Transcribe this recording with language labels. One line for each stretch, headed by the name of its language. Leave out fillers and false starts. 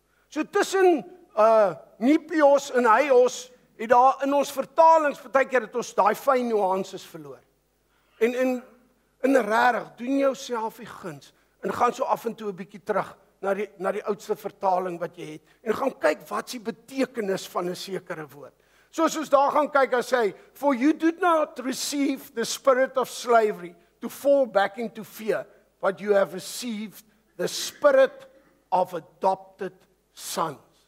Afrikaans: So tussen Nepios en Haios, het daar in ons vertalings partykeer het ons daai fyn nuances verloor. En in regtig, doen jouself die guns en gaan so af en toe 'n bietjie terug na die oudste vertaling wat jy het en gaan kyk wat is die betekenis van 'n sekere woord.
English: Soos ons daar gaan kyk en sê, "For you did not receive the spirit of slavery to fall back into fear, but you have received the spirit of adopted sons."